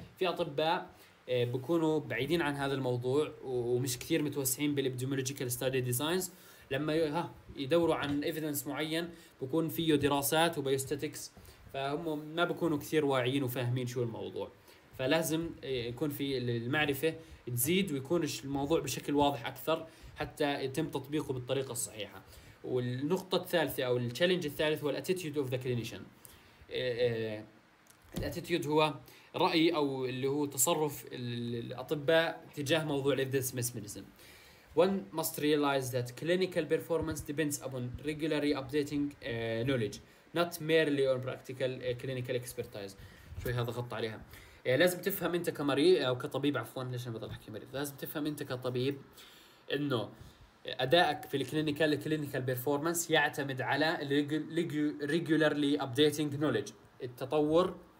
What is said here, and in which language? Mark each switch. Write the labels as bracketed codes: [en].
[ar] في أطباء بكونوا بعيدين عن هذا الموضوع ومش كثير متوسعين بالإبديمولوجيكال ستادي ديزاينز، لما يدوروا عن إيفيدنس معين بكون فيه دراسات وبيوستاتيكس، فهم ما بكونوا كثير واعيين وفاهمين شو الموضوع، فلازم يكون في المعرفة تزيد ويكون الموضوع بشكل واضح أكثر حتى يتم تطبيقه بالطريقة الصحيحة. والنقطة الثالثة أو التشالنج الثالث هو الاتيتيود اوف ذا كلينيشن. الاتيتيود هو رأي أو اللي هو تصرف الأطباء تجاه موضوع الإيفيدنس بيس ميديسن. [en] One must realize that clinical performance depends upon regularly updating knowledge, not merely on practical clinical expertise. [ar] شوي هذا غط عليها. لازم تفهم أنت كمريض أو كطبيب عفواً ليش أنا بطلع حكي مريض. لازم تفهم أنت كطبيب إنه أدائك في الكلينيكال كلينيكال بيرفورمانس يعتمد على [en] regularly updating knowledge، [ar] التطور